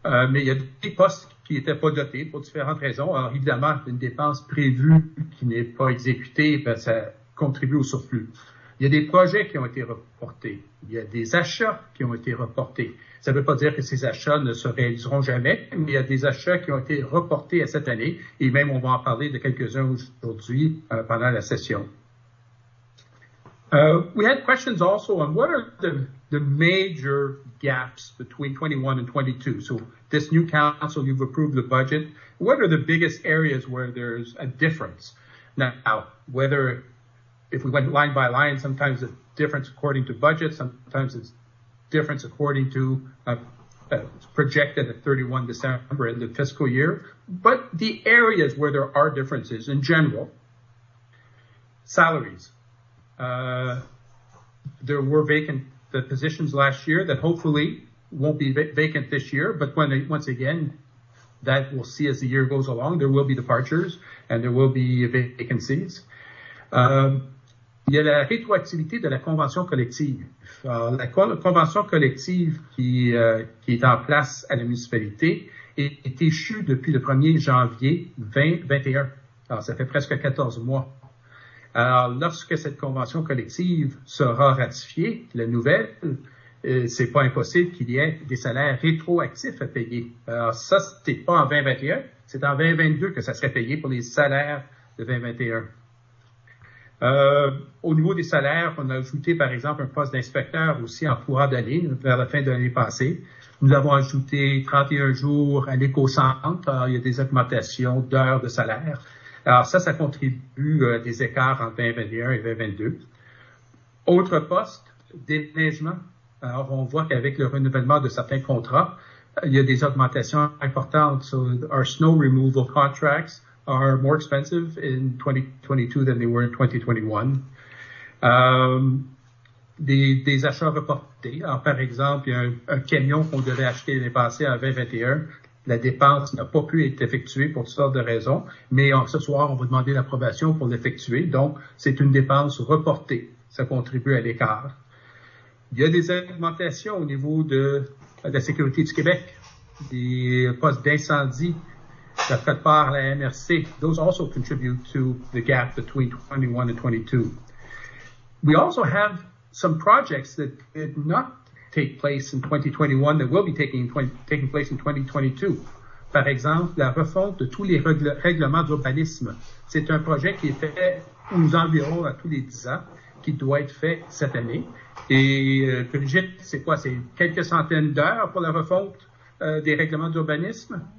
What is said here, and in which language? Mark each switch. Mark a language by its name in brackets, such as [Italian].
[French] Mais il y a des postes qui n'étaient pas dotés pour différentes raisons. Alors, évidemment, une dépense prévue qui n'est pas exécutée, ben, ça contribuer au surplus. Il y a des projets qui ont été reportés. Il y a des achats qui ont été reportés. Ça ne veut pas dire que ces achats ne se réaliseront jamais, mais il y a des achats qui ont été reportés à cette année, et même on va en parler de quelques-uns aujourd'hui pendant la session. [English] We had questions also on what are the major gaps between 21 and 22. So this new council, you've approved the budget. What are the biggest areas where there's a difference? Now, whether if we went line by line, sometimes the difference according to budget, sometimes it's difference according to projected at 31 December in the fiscal year. But the areas where there are differences in general, salaries. There were vacant the positions last year that hopefully won't be vacant this year. But when they, once again, that we'll see as the year goes along, there will be departures and there will be vacancies. [French] Il y a la rétroactivité de la convention collective. La convention collective qui est en place à la municipalité est échue depuis le 1er janvier 2021. Alors, ça fait presque 14 mois. Alors, lorsque cette convention collective sera ratifiée, la nouvelle, c'est pas impossible qu'il y ait des salaires rétroactifs à payer. Alors, ça, c'était pas en 2021, c'est en 2022 que ça serait payé pour les salaires de 2021. Au niveau des salaires, on a ajouté, par exemple, un poste d'inspecteur aussi en courant d'année, vers la fin de l'année passée. Nous avons ajouté 31 jours à l'éco-centre. Il y a des augmentations d'heures de salaire. Alors, ça contribue à des écarts entre 2021 et 2022. Autre poste, déneigement. Alors, on voit qu'avec le renouvellement de certains contrats, il y a des augmentations importantes. [English] So, our snow removal contracts are more expensive in 2022 than they were in 2021. [French] Des achats reportés. Alors, par exemple, il y a un camion qu'on devait acheter l'année passée en 2021. La dépense n'a pas pu être effectuée pour toutes sortes de raisons, mais ce soir, on va demander l'approbation pour l'effectuer. Donc, c'est une dépense reportée. Ça contribue à l'écart. Il y a des augmentations au niveau de la sécurité du Québec, des postes d'incendie, ça fait part à la MRC. [English] Those also contribute to the gap between 21 and 22. We also have some projects that did not take place in 2021 that will be taking place in 2022. [French] Par exemple, la refonte de tous les règlements d'urbanisme. C'est un projet qui est fait aux environs à tous les 10 ans, qui doit être fait cette année. Et Brigitte, c'est quoi? C'est quelques centaines d'heures pour la refonte des règlements d'urbanisme?